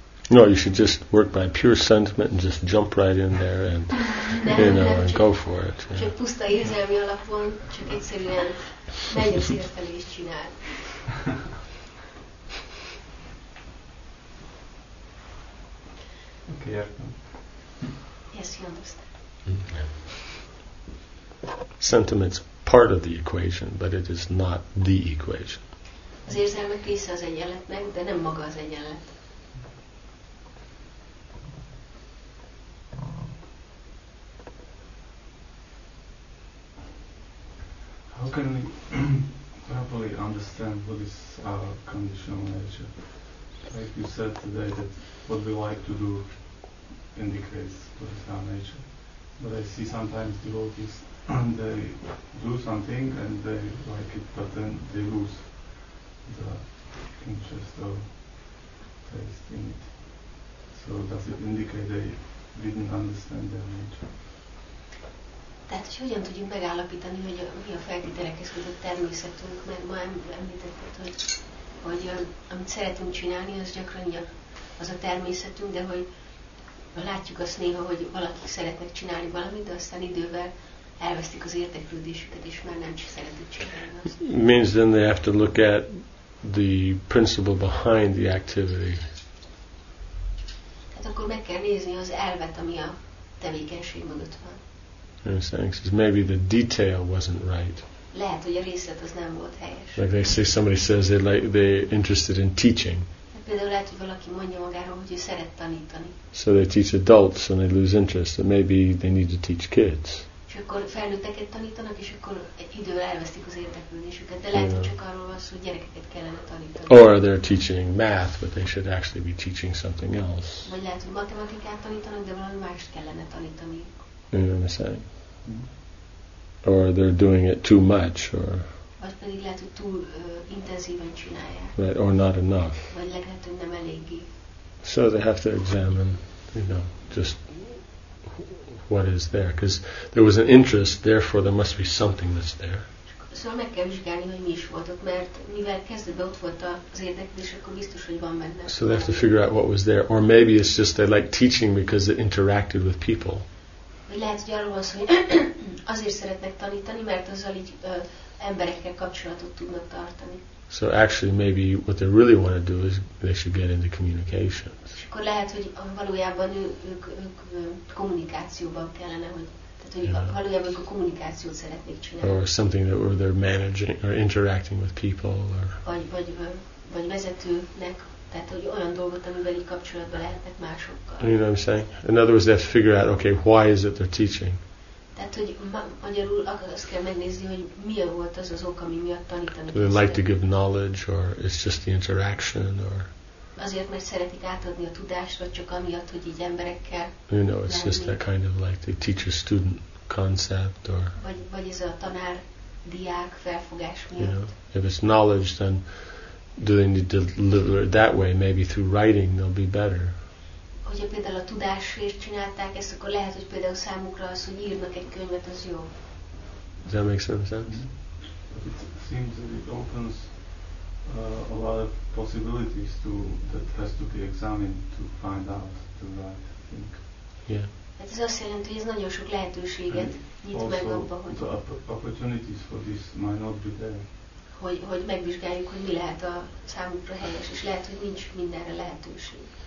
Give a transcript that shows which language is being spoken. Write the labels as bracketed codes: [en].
[en] No, you should just work by pure sentiment and just jump right in there and you know, [hu] nem, [en] and go for it. [hu] Csak yeah. Puszta érzelmi alapon, csak egyszerűen menj a szél felé és csinál. Okay, értem. [en] Yes, you understand. Mm-hmm. Sentiment's part of the equation, but it is not the equation. [hu] Az érzelmek része az egyenletnek, de nem maga az egyenlet. [en] How can we properly understand what is our conditional nature? Like you said today, that what we like to do indicates what is our nature. But I see sometimes devotees, they do something and they like it, but then they lose the interest or taste in it. So does it indicate they didn't understand their nature? [hu] Tehát, hogy hogyan tudjuk megállapítani, hogy mi a feltételekhez kötött természetünk, mert ma említettet, hogy amit szeretünk csinálni, az gyakran az a természetünk, de hogy látjuk azt néha, hogy valakik szeretnek csinálni valamit, de aztán idővel elvesztik az érdeklődésüket, és már nem szeretik csinálni azt. [en] Means then they have to look at the principle behind the activity. [hu] Tehát akkor meg kell nézni az elvet, ami a tevékenység mögött van. [en] You know, saying, says maybe the detail wasn't right. [hu] Lehet, hogy a részlet az nem volt helyes. [en] Like they say, somebody says they like they're interested in teaching. [hu] Például lehet, hogy valaki mondja magáról, hogy ő szeret tanítani. [en] So they teach adults and they lose interest. So maybe they need to teach kids. [hu] És akkor felnőtteket tanítanak, és akkor idővel elvesztik az érdeklődésüket. De lehet, hogy csak arról van szó, hogy gyerekeket kellene tanítani. [en] Or they're teaching math, but they should actually be teaching something else. [hu] Vagy lehet, hogy matematikát tanítanak, de valami mást kellene tanítani. [en] You know what I'm saying? Or they're doing it too much, or [hu] vagy pedig lehet, hogy túl intenzíven csinálják. [en] Right, or not enough. [hu] Vagy lehet, hogy nem eléggé. [en] So they have to examine, you know, just what is there, because there was an interest, therefore there must be something that's there. [hu] Szóval meg kell vizsgálni, hogy mi is volt ott, mert mivel kezdetben ott volt az érdeklődés, akkor biztos, hogy van benne. [en] So they have to figure out what was there, or maybe it's just they like teaching because they interacted with people. [hu] Vagy lehet, hogy arról van szó, hogy azért szeretnek tanítani, mert azzal így emberekkel kapcsolatot tudnak tartani. [en] So actually, maybe what they really want to do is they should get into communications. [hu] Akkor lehet, hogy valójában ők kommunikációban kellene, hogy tehát hogy valójában a kommunikációt szeretnék csinálni. [en] Or something that where they're managing or interacting with people. Or [hu] vagy vezetőnek, tehát hogy olyan dolgot, amivel így kapcsolatban lehetnek másokkal. [en] You know what I'm saying? In other words, they have to figure out, okay, why is it they're teaching? [hu] Tehát, hogy magyarul azt kell megnézni, hogy mi volt az az ok, ami miatt tanítani. [en] They like to give knowledge, or it's just the interaction, or [hu] azért, mert szeretik átadni a tudást, vagy csak amiatt, hogy így emberekkel. [en] You know, it's just that kind of like the teacher-student concept, or [hu] vagy ez a tanár-diák felfogás miatt. [en] You know, if it's knowledge, then do they need to deliver it that way? Maybe through writing, they'll be better. [hu] Hogyha például a tudásért csinálták ezt, akkor lehet, hogy például számukra az, hogy írnak egy könyvet, az jó. [en] Does that make some sense? Mm-hmm. It seems that it opens a lot of possibilities to that has to be examined to find out the right thing. Yeah. [hu] Hát ez azt jelenti, hogy ez nagyon sok lehetőséget nyit meg abba, hogy [en] the opportunities for this might not be there. [hu] Hogy megvizsgáljuk, hogy mi lehet a számukra helyes, és lehet, hogy nincs mindenre lehetőség.